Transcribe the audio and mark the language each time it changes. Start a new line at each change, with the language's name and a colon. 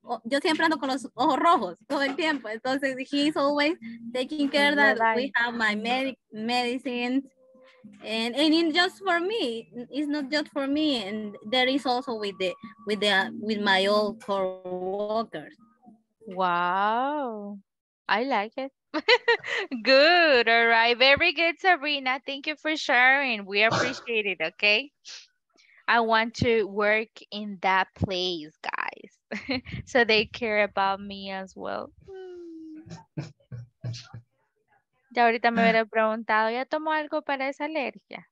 Spanish: Yo siempre ando con los ojos rojos todo el tiempo.
English: Entonces, he's always taking care that we have my medicine, And in just for me, it's not just for me, and there is also with my old co-workers. Wow, I like it. Good, all right, very good, Sabrina. Thank you for sharing. We appreciate it. Okay, I want to work in that place, guys, so they care about me as well.
Spanish: Ya ahorita me hubiera preguntado, ¿ya tomó algo para esa alergia?